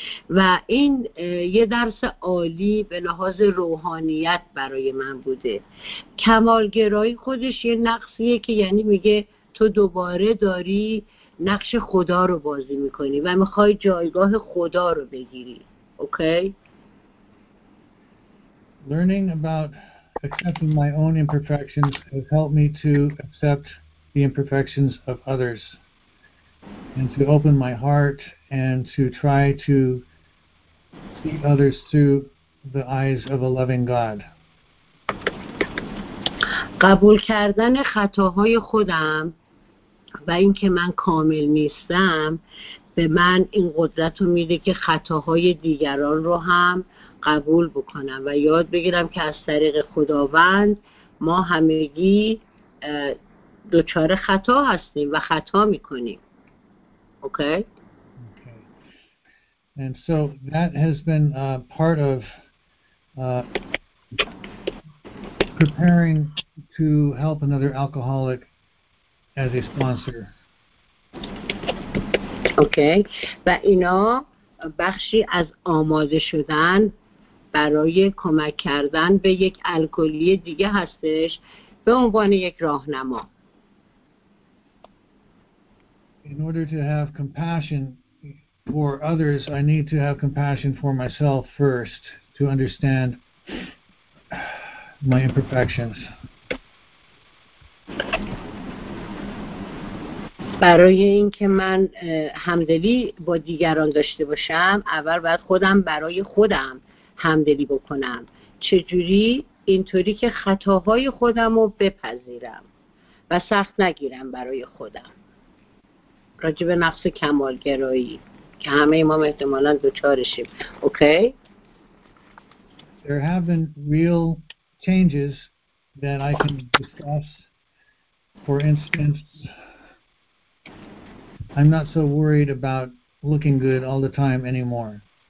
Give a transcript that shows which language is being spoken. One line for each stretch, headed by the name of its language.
Persian: و این یه درس عالی به لحاظ روحانیت برای من بوده. کمالگرایی خودش یه نقصیه که یعنی میگه تو دوباره داری نقش خدا رو بازی میکنی و میخوای جایگاه خدا رو بگیری. اوکی؟
English: Learning about accepting my own imperfections has helped me to accept the imperfections of others and to open my heart and to try to see others through the eyes of a loving God.
Persian: قبول کردن خطاهای خودم و اینکه من کامل نیستم به من این قدرت رو میده که خطاهای دیگران رو هم قبول بکنم و یاد بگیرم که از طریق خداوند ما همگی دوچار خطا هستیم و خطا میکنیم. اوکی؟
English: And so that has been part of preparing to help another alcoholic as a sponsor. Okay.
Persian: و اینا بخشی از آماده شدن برای کمک کردن به یک الکلی دیگه هستش به عنوان یک راهنما.
English: In order to have compassion for others, I need to have compassion for myself first to understand my imperfections.
Persian: برای اینکه من همدلی با دیگران داشته باشم، اول باید خودم برای خودم همدلی بکنم. چجوری؟ اینطوری که خطاهای خودم رو بپذیرم و سخت نگیرم برای خودم. راجع به نفس کمالگرایی که همه ما احتمالاً دوچارشیم. اوکی؟
English: There have been real changes that I can discuss. For instance, I'm not so worried about looking good all the time anymore.